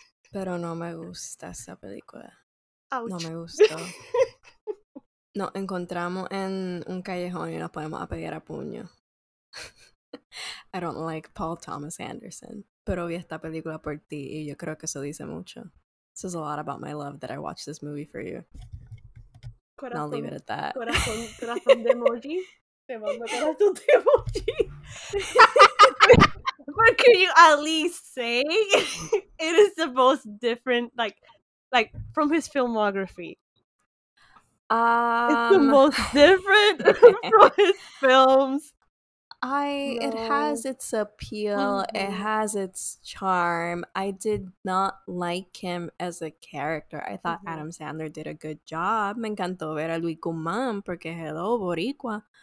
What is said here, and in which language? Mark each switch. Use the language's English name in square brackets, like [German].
[Spanish] Pero no me gusta esa película. Ouch. No me gustó. Nos encontramos en un callejón y nos ponemos a pelear a puño. [English] I don't like Paul Thomas Anderson. [Spanish] Pero vi esta película por ti y yo creo que eso dice mucho. [English] This is a lot about my love that I watched this movie for you. [Spanish] Corazón, [English] I'll leave it at that. [Spanish] Corazón de emoji. Te mando corazón de emoji. [English] But can you at least say it is the most different, like from his filmography? It's the most different from his films. It has its appeal. Mm-hmm. It has its charm. I did not like him as a character. I thought Adam Sandler did a good job. [Spanish] Me encantó ver a Luis Guzmán porque hello, boricua.